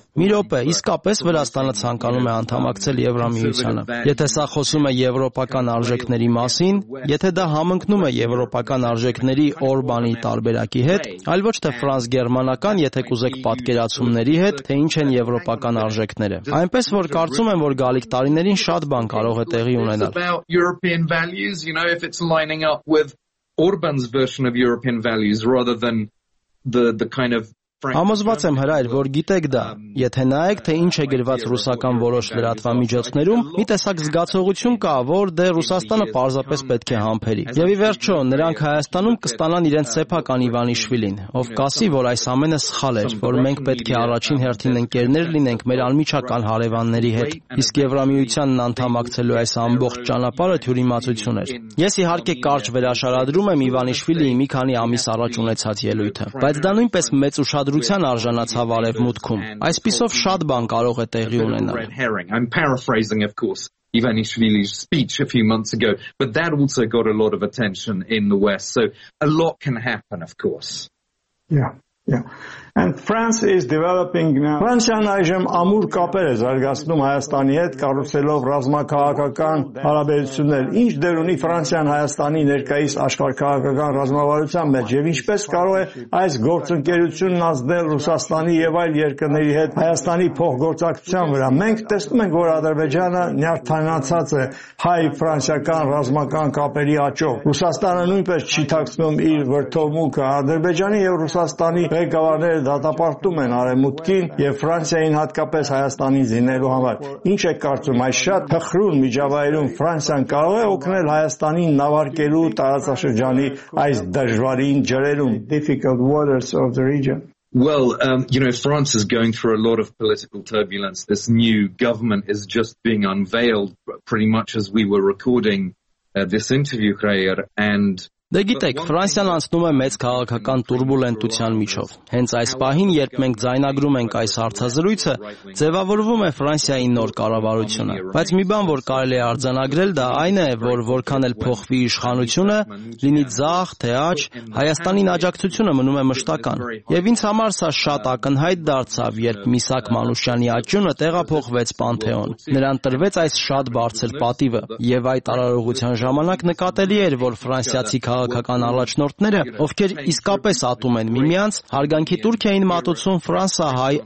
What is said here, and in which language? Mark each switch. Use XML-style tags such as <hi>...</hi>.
<hy>մի ոպե, իսկապես Վրաստանը ցանկանում է անդամակցել Եվրամիությանը։ Եթե սա խոսում է եվրոպական արժեքների մասին, եթե դա համընկնում է եվրոպական արժեքների Օրբանի տարբերակի հետ, այլ ոչ թե ֆրանս-գերմանական, եթե կուզեք, պատկերացումների հետ, թե ինչ են եվրոպական արժեքները։ Այնպես որ կարծում եմ, որ գալիք տարիներին շատ բան կարող է տեղի ունենալ։</hy> <en>European values, you know, if it's lining up with Orban's version of European values rather than the kind of</en> <hy>Համոզված եմ, հրայր, որ գիտեք դա, եթե նայեք, թե ինչ է գրված ռուսական որոշ լրատվամիջոցներում, մի տեսակ զգացողություն կա, որ դե Ռուսաստանը պարզապես պետք է համբերի։ Եվ ի վերջո, նրանք Հայաստանում կստանան իրենց սեփական Իվանիշվիլին, ով կասի, որ այս ամենը սխալ էր, որ մենք պետք է առաջին հերթին ընկերներ լինենք մեր անմիջական հարևանների հետ, իսկ Եվրամիությանն անդամակցելու այս ամբողջ ճանապարհը թյուրիմացություն էր։ Ես իհարկե կարճ վերաշարադրում եմ Իվանիշվիլիի մի քանի ամիս առաջ ունեցած ելույթը, բայց դա նույնպես մեծ ադրության արժանացավ արևմուտքում։ Այսպիսով շատ բան կարող է տեղի ունենալ։</hy> <en>I'm paraphrasing, of course, Ivanishvili's speech a few months ago, but that also got a lot of attention in the West. So a lot can happen, of course. Yeah. And France is developing now.</en> <hy>Ֆրանսիան այժմ ամուր կապեր է զարգացնում Հայաստանի հետ, կառուցելով ռազմաքաղաքական հարաբերություններ։ Ինչ դեր ունի Ֆրանսիան Հայաստանի ներկայիս աշխարհքաղաքական ռազմավարության մեջ, եւ ինչպես կարող է այս գործընկերությունն ազդել Ռուսաստանի եւ այլ երկրների հետ Հայաստանի փոխգործակցության վրա։ Մենք տեսնում ենք, որ Ադրբեջանը նյարդայնացած է հայ-ֆրանսիական ռազմական կապերի աճով։ Ռուսաստանը նույնպես չի թաքցնում իր վրդովմունքը Ադրբեջանի եւ Ռուսաստանի ռեկավարները դատապարտում են արևմուտքին եւ Ֆրանսիային, հատկապես Հայաստանին զինելու համար։ Ինչ է կարծում, այս շատ թխրուն միջավայրում Ֆրանսիան կարող է օգնել Հայաստանին նավարկելու տարածաշրջանի այս դժվարին ջրերում,</hy> <en>difficult waters of the region? Well, you know, France is going through a lot of political turbulence. This new government is just being unveiled pretty much as we were recording this interview, Khair, and</en> <hy>Դե գիտեք, Ֆրանսիան անցնում է մեծ քաղաքական տուրբուլենտության միջով։ Հենց այս պահին, երբ մենք ձայնագրում ենք այս հարցազրույցը, ձևավորվում է Ֆրանսիայի նոր կառավարությունը։ Բայց մի բան, որ կարելի է արձանագրել, դա այն է, որ որքան էլ փոխվի իշխանությունը, լինի ձախ թե աջ, Հայաստանի աջակցությունը մնում է մշտական։ Եվ ինձ համար սա շատ ակնհայտ դարձավ, երբ Միսակ Մանուշյանի աճյունը տեղափոխվեց Պանթեոն։ Նրան տրվեց այս շատ բարձր պատիվը, եւ այդ արարողության ժամանակ նկատելի էր, որ ֆրանսիացի քաղաքական առաջնորդները, ովքեր իսկապես ատում են միմյանց, հարգանքի տուրք էին մատուցում Ֆրանսա հայ</hy>